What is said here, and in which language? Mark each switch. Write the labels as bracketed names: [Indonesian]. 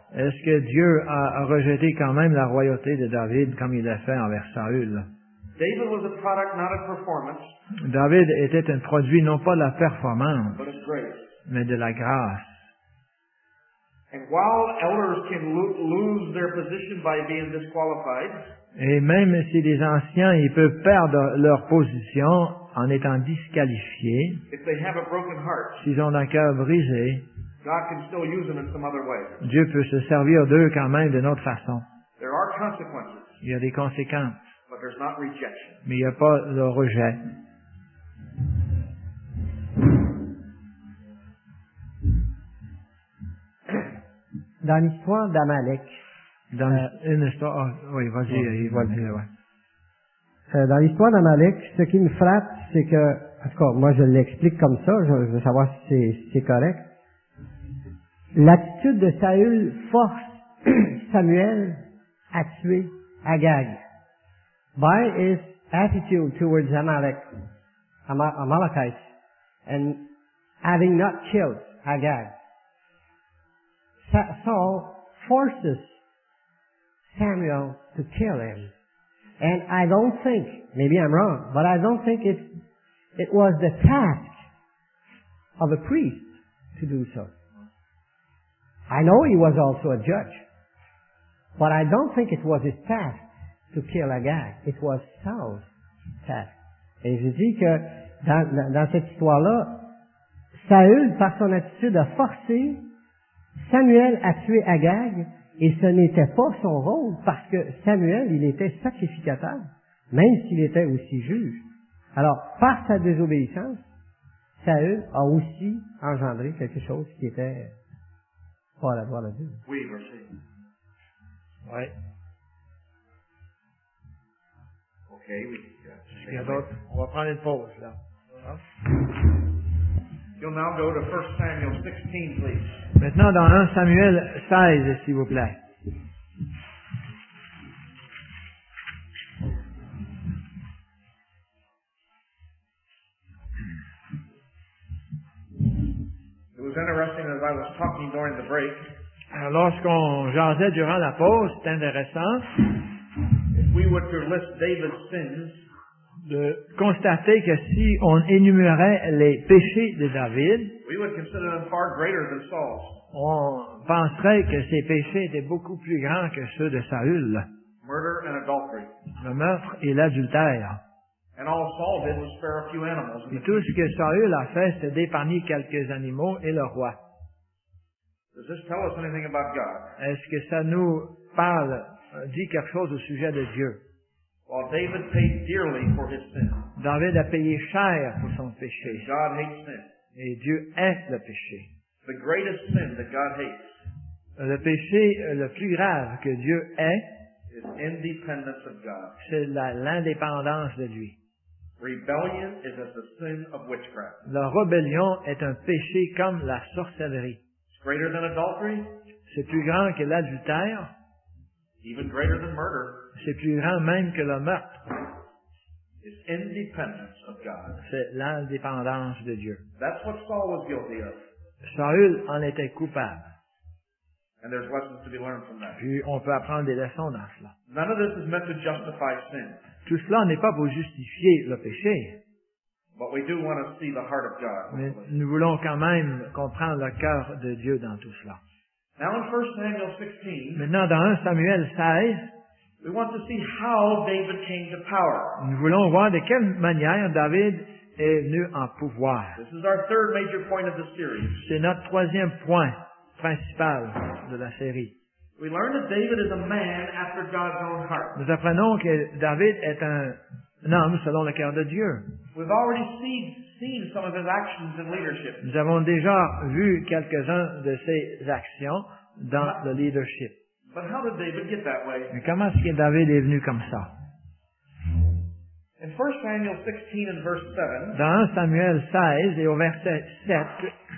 [French] Est-ce que Dieu a rejeté quand même la royauté de David comme il l'a fait envers Saül? [English] David, was a product, not a performance, [French] David était un produit non pas de la performance, [English] but of grace. [French] Mais de la grâce. [English] And while elders can lose their position by being disqualified, [French] et même si les anciens ils peuvent perdre leur position en étant disqualifiés, [English] if they have a broken heart, [French] s'ils ont un cœur brisé, [English] God can still use them in some other way. [French] Dieu peut se servir d'eux quand même d'une autre façon. [English] There are consequences. [French] Il y a des conséquences. [English] But there's not rejection. [French] Mais il n'y a pas de rejet. Dans l'histoire d'Amalek. Dans une histoire. Oh, oui, vas-y, il va le dire, ouais. Dans l'histoire d'Amalek, ce qui me frappe, c'est que, en tout cas, moi je l'explique comme ça, je veux savoir si c'est correct. L'attitude de Saül force Samuel à tuer Agag. [English] By his attitude towards Amalekites and having not killed Agag, Saul forces Samuel to kill him. And I don't think, maybe I'm wrong, but I don't think it was the task of a priest to do so. I know he was also a judge, but I don't think it was his task to kill Agag. It was Saul's task. [French] Et je dis que dans cette histoire-là, Saül, par son attitude, a forcé Samuel a tué Agag, et ce n'était pas son rôle, parce que Samuel, il était sacrificateur, même s'il était aussi juge. Alors, par sa désobéissance, Saül a aussi engendré quelque chose qui était pas à la voix de Dieu. Oui, merci. Oui. OK, on va prendre une pause, là. [English] You'll now go to 1 Samuel 16, please. [French] Maintenant, dans 1 Samuel 16, s'il vous plaît. [English] It was interesting as I was talking during the break. [French] Alors, lorsqu'on jasait durant la pause, c'était intéressant. [English] If we were to list David's sins, [French] de constater que si on énumérait les péchés de David, [English] we would consider them far greater than Saul's. [French] On penserait que ses péchés étaient beaucoup plus grands que ceux de Saül. [English] Murder and adultery. [French] Le meurtre et l'adultère. [English] And all Saul did was spare a few animals. [French] Et tout ce que Saül a fait, c'est d'épargner quelques animaux et le roi. [English] Does this tell us anything about God? [French] Est-ce que ça nous parle, dit quelque chose au sujet de Dieu? [English] While David paid dearly for his sin. [French] David a payé cher pour son péché. [English] God hates sin. [French] Et Dieu hait le péché. [English] The greatest sin that God hates. [French] Le péché le plus grave que Dieu hait. [English] Is independence of God. [French] C'est l'indépendance de lui. [English] Rebellion is as the sin of witchcraft. [French] La rébellion est un péché comme la sorcellerie. [English] It's greater than adultery. [French] C'est plus grand que l'adultère. [English] Even greater than murder. [French] C'est plus grand même que le meurtre. [English] It's independence of God. [French] C'est l'indépendance de Dieu. [English] That's what Saul was guilty of. [French] Saül en était coupable. [English] And there's lessons to be learned from that. [French] Puis on peut apprendre des leçons dans cela. [English] None of this is meant to justify sin. [French] Tout cela n'est pas pour justifier le péché. [English] But we do want to see the heart of God. [French] Mais nous voulons quand même comprendre le cœur de Dieu dans tout cela. [English] Now in 1 Samuel 16, [French] maintenant dans 1 Samuel 16, [English] we want to see how David came to power. [French] Nous voulons voir de quelle manière David est venu en pouvoir. [English] This is our third major point of the series. [French] C'est notre troisième point principal de la série. [English] We learn that David is a man after God's own heart. [French] Nous apprenons que David est un homme selon le cœur de Dieu. [English] We've already seen some of his actions and leadership. [French] Nous avons déjà vu quelques-uns de ses actions dans le leadership. [English] But how did David get that way? [French] Mais comment est-ce que David est venu comme ça? [English] In 1 Samuel 16 and verse 7, [French] dans 1 Samuel 16 et au verset 7,